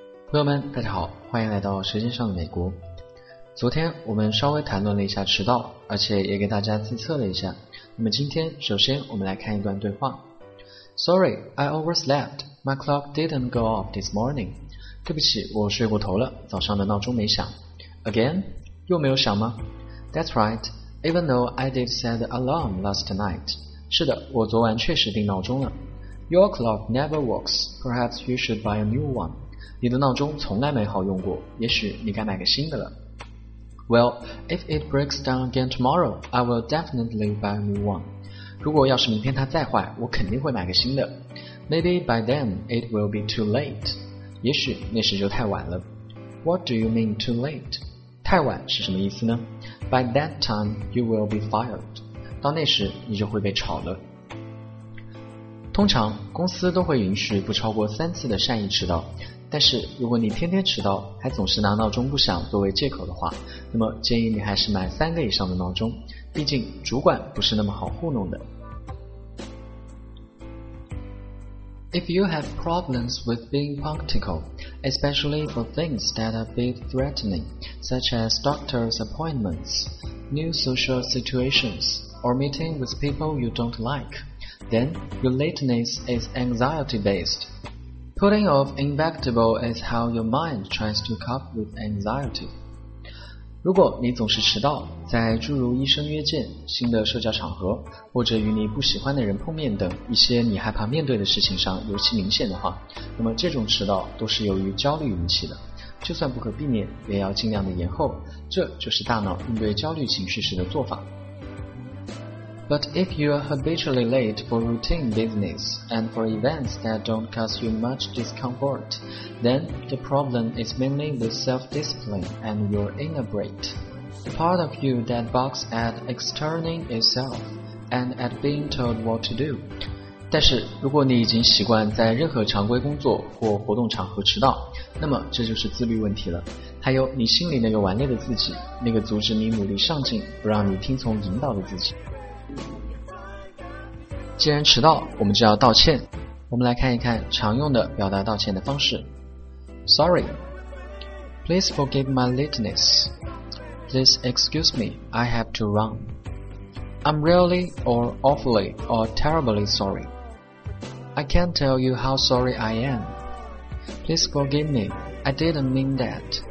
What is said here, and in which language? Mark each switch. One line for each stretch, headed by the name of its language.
Chinese: 朋友们，大家好，欢迎来到舌尖上的美国。昨天我们稍微谈论了一下迟到，而且也给大家自测了一下。那么今天首先我们来看一段对话。
English: Sorry, I overslept. My clock didn't go off this morning.
Chinese: 对不起，我睡过头了，早上的闹钟没响。
English: Again?
Chinese: 又没有响吗？
English: That's right. Even though I did set the alarm last night.
Chinese: 是的，我昨晚确实定闹钟了。
English: Your clock never works. Perhaps you should buy a new one.
Chinese: 你的闹钟从来没好用过，也许你该买个新的了。
English: Well, if it breaks down again tomorrow, I will definitely buy a new one.
Chinese: 如果要是明天它再坏，我肯定会买个新的。
English: Maybe by then it will be too late.
Chinese: 也许那时就太晚了。
English: What do you mean too late?
Chinese: 太晚是什么意思呢？
English: By that time, you will be fired.
Chinese: 到那时你就会被炒了。通常公司都会允许不超过三次的善意迟到，但是如果你天天迟到还总是拿闹钟不响作为借口的话，那么建议你还是买三个以上的闹钟，毕竟主管不是那么好糊弄的。
English: If you have problems with being punctual, especially for things that are a bit threatening, such as doctor's appointments, new social situations, or meeting with people you don't like, then your lateness is anxiety-basedPutting off inevitable is how your mind tries to cope with anxiety.
Chinese: 如果你总是迟到，在诸如医生约见、新的社交场合，或者与你不喜欢的人碰面等一些你害怕面对的事情上尤其明显的话，那么这种迟到都是由于焦虑引起的。就算不可避免，也要尽量的延后，这就是大脑应对焦虑情绪时的做法。
English: But if you are habitually late for routine business and for events that don't cause you much discomfort, then the problem is mainly with self-discipline and your inner break. The part of you that balks at externing itself and at being told what to do.
Chinese: 但是如果你已经习惯在任何常规工作或活动场合迟到，那么这就是自律问题了。还有你心里那个顽劣的自己，那个阻止你努力上进，不让你听从引导的自己。既然迟到，我们就要道歉。我们来看一看常用的表达道歉的方式。
English: Sorry. Please forgive my lateness. Please excuse me, I have to run. I'm really or awfully or terribly sorry. I can't tell you how sorry I am. Please forgive me, I didn't mean that.